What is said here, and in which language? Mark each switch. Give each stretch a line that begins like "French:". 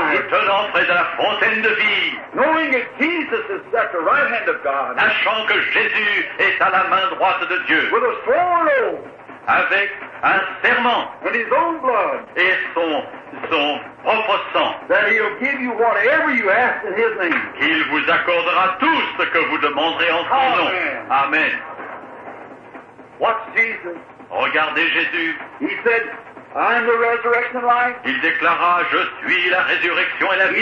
French: tenant près de la fontaine de vie.
English: Knowing that Jesus is at the right hand of God.
French: Sachant que Jésus est à la main droite de Dieu.
English: With a sworn oath.
French: Avec un serment
English: and his own blood,
French: et son propre sang,
English: that he'll give you whatever you ask in his name.
French: Qu'il vous accordera tout ce que vous demanderez en son nom.
English: Amen. What's Jesus?
French: Regardez Jésus.
English: He said, I'm the resurrection and life.
French: Il déclara, je suis la résurrection et la vie.